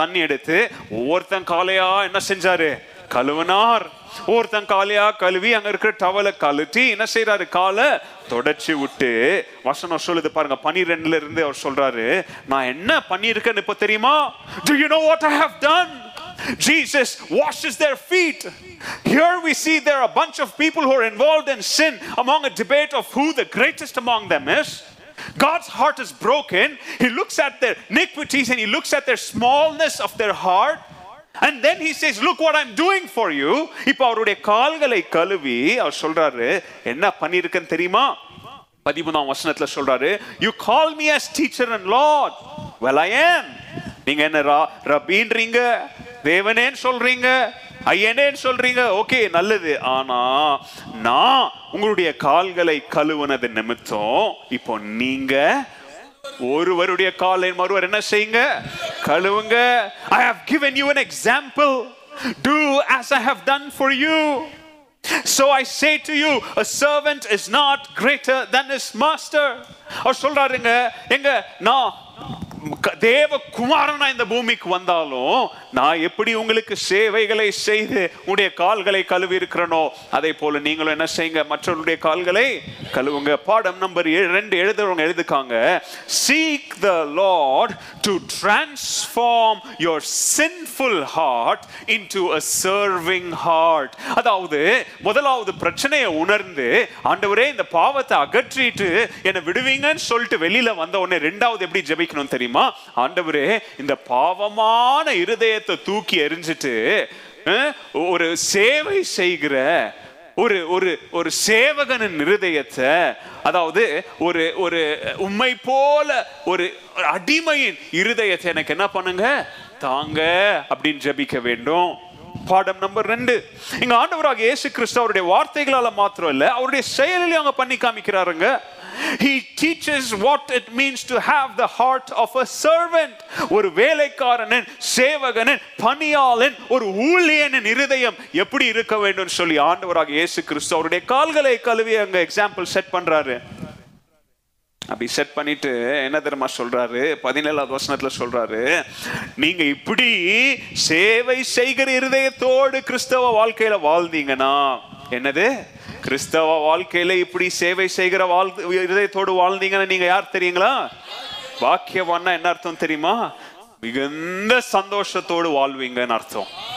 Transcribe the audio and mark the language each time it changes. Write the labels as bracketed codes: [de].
[ta] தண்ணி எடுத்து ஒவ்வொருத்தன் காலையா என்ன செஞ்சாரு? கழுவினார். ஒருத்தன் காலையா கழுவி அங்க இருக்கிற டவலை கழுத்தி என்ன செய்யறாரு? காலை தொடச்சு விட்டு வசனம் சொல்லுது பாருங்க. 12 அவர் சொல்றாரு, நான் என்ன பண்ணிருக்கேன்னு இப்ப தெரியுமா? [en] Do you know what I have done? Jesus washes their feet. Here we see there are a bunch of people who are involved in sin among a debate of who the greatest among them is. God's heart is broken. He looks at their iniquities and he looks at their smallness of their heart. And then he says, look what I'm doing for you. [ta] இப்போ அவருடைய கால்களை கழுவி அவர் சொல்றாரு, என்ன பண்ணிருக்கன் தெரியுமா? 13 வசனத்துல சொல்றாரு, [en] you call me as teacher and lord. Well, I am. [ta] நீங்க என்ன ரபீன்றீங்க, தேவனேன்னு சொல்றீங்க, ஐயனேன்னு சொல்றீங்க, ஓகே நல்லது. ஆனா நான் உங்களுடைய கால்களை கழுவுனது நிமித்தம் இப்போ நீங்க ஒருவருடைய காலை மறுவர் என்ன செய்யுங்க? கழுவுங்க. [en] I have given you an example. Do as I have done for you. So I say to you, a servant is not greater than his master. [ta] அவர் சொல்றாருங்க, எங்க நான் தேவ குமாரனா இந்த பூமிக்கு வந்தாலும் நான் எப்படி உங்களுக்கு சேவைகளை செய்து உங்களுடைய கால்களை கழுவி இருக்கிறனோ அதே போல நீங்களும் என்ன செய்யுங்க? மற்றவர்களுடைய கால்களை கழுவுங்க. பாடம் number 2 எழுதுறவங்க எழுதுக்காங்க, [en] Seek the Lord to transform your sinful heart into a serving heart. [ta] அதாவது முதலாவது பிரச்சனையை உணர்ந்து ஆண்டவரே இந்த பாவத்தை அகற்றிட்டு என்னை விடுவீங்கன்னு சொல்லிட்டு வெளியில வந்த உடனே ரெண்டாவது எப்படி ஜெபிக்கணும் தெரியுமா? ஆண்டவரே இந்த பாவமான இருதய தூக்கி எரிஞ்சிட்டு ஒரு சேவை செய்கிற ஒரு ஒரு சேவகனின் இருதயத்தை, அதாவது ஒரு ஒரு உம்மை போல ஒரு அடிமையின் இருதயத்தை எனக்கு என்ன பண்ணுங்க? தாங்க அப்படின்னு ஜெபிக்க வேண்டும். பாடம் நம்பர் 2. இங்க ஆண்டவராக இயேசு கிறிஸ்து அவருடைய வார்த்தைகளால மாத்திரம் இல்ல, அவருடைய செயலிலே அவங்க பண்ணி காமிக்கிறாருங்க. [en] He teaches what it means to have the heart of a servant. [ta] ஒரு வேலைக்காரனின், சேவகனின், பணியாளன், ஒரு ஊழியனின் இருதயம் எப்படி இருக்க வேண்டும் சொல்லி ஆண்டவராக இயேசு கிறிஸ்து அவருடைய கால்களை கழுவி அங்க எக்ஸாம்பிள் செட் பண்றாரு. அப்படி செட் பண்ணிட்டு என்ன தெரியுமா சொல்றாரு, 17வது வசனத்துல சொல்றாரு, நீங்க இப்படி சேவை செய்கிற இருதயத்தோடு கிறிஸ்தவ வாழ்க்கையில வாழ்ந்தீங்கன்னா, என்னது, கிறிஸ்தவ வாழ்க்கையில இப்படி சேவை செய்கிற இருதயத்தோடு வாழ்ந்தீங்கன்னா நீங்க யார் தெரியுங்களா, பாக்கியவான்னா என்ன அர்த்தம் தெரியுமா, மிகுந்த சந்தோஷத்தோடு வாழ்வீங்கன்னு அர்த்தம்.